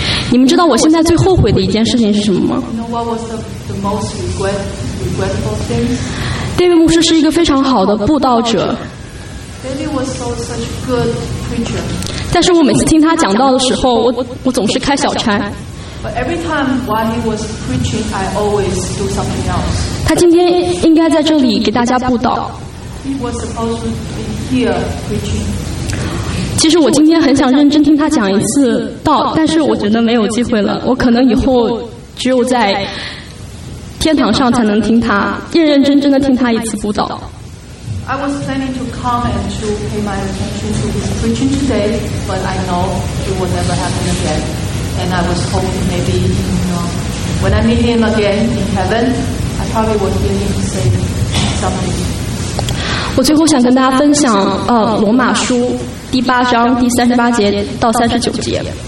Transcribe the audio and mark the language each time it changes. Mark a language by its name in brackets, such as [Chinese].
[Chinese] 你们知道我现在最后悔的一件事情是什么吗 [English] ？You know what was the most regretful thing? [Chinese] David 牧师是一个非常好的布道者。 [English] David was so such good preacher. [Chinese] 但是我每次听他讲道的时候，我总是开小差。 [English] But every time while he was preaching, I always do something else. [Chinese] 他今天应该在这里给大家布道。 [English] He was supposed to be here preaching. [Chinese] 其实我今天很想认真听他讲一次道，但是我觉得没有机会了。我可能以后只有在天堂上才能听他，认认真真的听他一次布道。 [English] I was planning to come and to pay my attention to his preaching today, but I know it will never happen again. And I was hoping maybe, you know, when I meet him again in heaven, I probably would hear him say something. [Chinese] 我最后想跟大家分享，罗马书第八章第三十八节到三十九节。